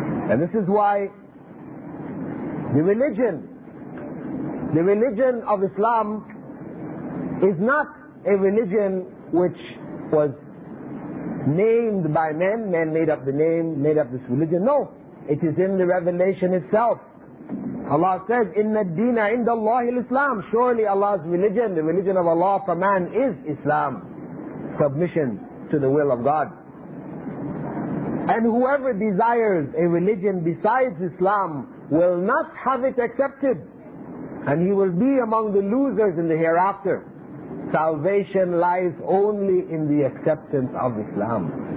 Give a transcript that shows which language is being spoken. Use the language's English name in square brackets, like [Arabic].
[English] And this is why the religion of Islam is not a religion which was named by men. Men made up the name, made up this religion. No, it is in the revelation itself. Allah says, [Arabic] إِنَّ الدِّينَ عِنْدَ اللَّهِ الْإِسْلَامِ. [English] Surely Allah's religion, the religion of Allah for man, is Islam. Submission to the will of God. And whoever desires a religion besides Islam will not have it accepted. And he will be among the losers in the hereafter. Salvation lies only in the acceptance of Islam.